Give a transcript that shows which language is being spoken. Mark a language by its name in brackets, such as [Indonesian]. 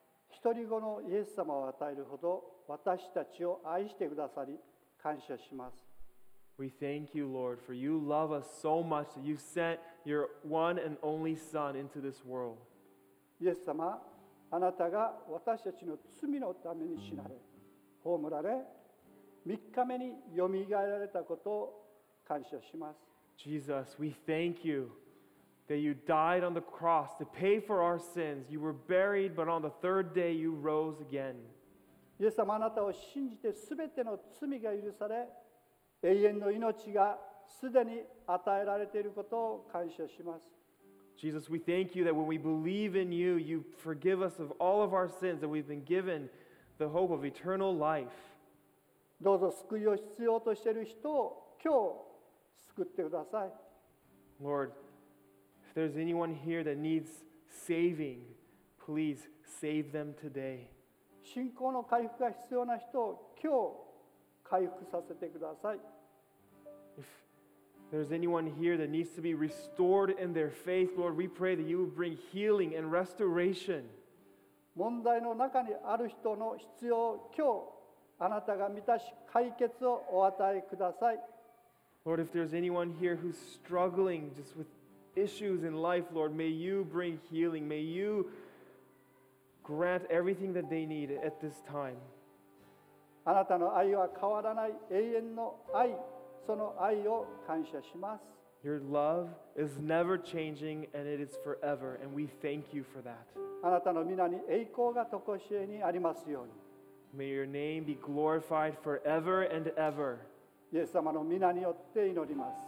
[Japanese] 一人子のイエス様を与えるほど私たちを愛してくださり感謝します。 [English] We thank you, Lord, for you love us so much that you sent your one and only Son into this world. [Japanese] イエス様、あなたが私たちの罪のために死なれ、葬られ、3日目によみがえられたことを感謝します。 [English] Jesus, we thank you that you died on the cross to pay for our sins. You were buried, but on the third day you rose again. [Japanese] イエス様、あなたを信じて全ての罪が許され、永遠の命がすでに与えられていることを感謝します。 [English] Jesus, we thank you that when we believe in you, you forgive us of all of our sins, and we've been given the hope of eternal life. [Japanese] どうぞ救いを必要としている人を今日救ってください。 [English] Lord, if there's anyone here that needs saving, please save them today. [Japanese] 信仰の回復が必要な人を今日回復させてください。 [English] If there's anyone here that needs to be restored in their faith, Lord, we pray that you would bring healing and restoration. [Japanese] 問題の中にある人の必要を今日あなたが満たし解決をお与えください。 [English] Lord, if there's anyone here who's struggling just with issues in life, Lord, may you bring healing. May you... Grant everything that they need at this time. [Japanese] あなたの愛は変わらない永遠の愛、その愛を感謝します。 [English] Your love is never changing and it is forever, and we thank you for that. [Japanese] あなたの皆に栄光が常しえにありますように。 [English] May your name be glorified forever and ever. [Japanese] イエス様の皆によって祈ります。